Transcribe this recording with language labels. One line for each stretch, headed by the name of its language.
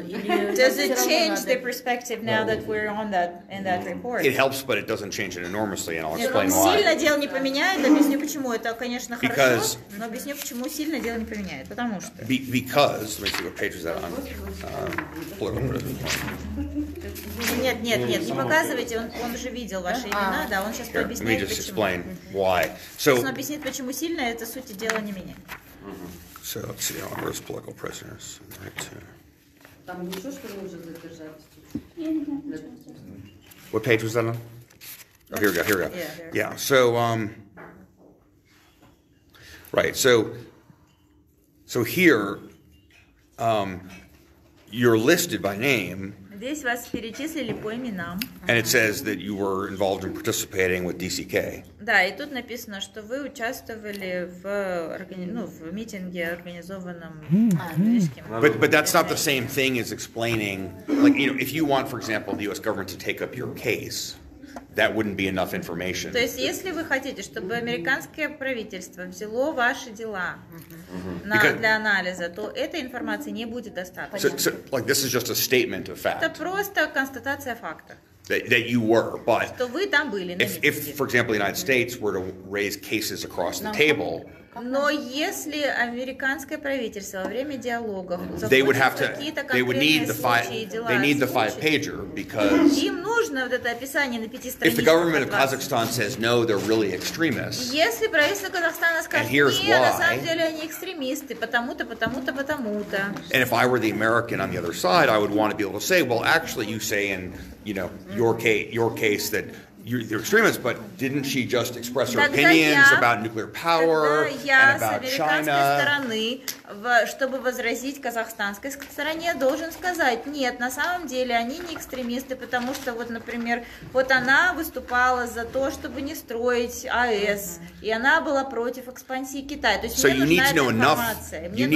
English: Does it change the perspective now that we're on that in that report? It helps, but it doesn't change it enormously, and I'll explain why.
Russian: Сильно дело не поменяет, объясню почему. Это, конечно, хорошо, но объясню почему сильно дело не поменяет. Потому что...
English: Because... Let me see what page is that on.
Russian: Нет, не показывайте, он уже видел ваши имена, да, он сейчас пообъясняет почему.
English: Let me just explain why. So...
Russian: Он объяснит, почему сильно, это суть дела не меняет.
English: So let's see, on risk political prisoners. Right. What page was that on? Oh, here we go. So here, you're listed by name.
Russian: Здесь вас перечислили по именам.
English: And it says that you were involved in participating with DCK.
Russian: Да, и тут написано, что вы участвовали в митинге, организованном английским.
English: But that's not the same thing as explaining, like, you know, if you want, for example, the US government to take up your case, that wouldn't be enough information.
Russian: То есть, если вы хотите, чтобы американское правительство взяло ваши дела для анализа, то этой информации не будет достаточно.
English: So, like, this is just a statement of fact.
Russian: Это просто констатация факта.
English: That you were, but...
Russian: Что вы там были.
English: If, for example, the United States were to raise cases across the table...
Russian: Но если американское правительство во время диалогов закончится какие-то конкретные случаи и дела, им нужно вот это описание на пяти страницах.
English: If the government of Kazakhstan says no, they're really extremists.
Russian: Если правительство Казахстана скажет, нет, на самом деле они экстремисты, потому-то.
English: And if I were the American on the other side, I would want to be able to say, well, actually, you say in, you know, your case that... You're extremists, but didn't she just express her opinions about nuclear power and about China?
Russian: Чтобы возразить казахстанской стороне, должен сказать, нет, на самом деле они не экстремисты, потому что, вот, например, вот она выступала за то, чтобы не строить АЭС, и она была против экспансии Китая. То есть мне нужна эта информация.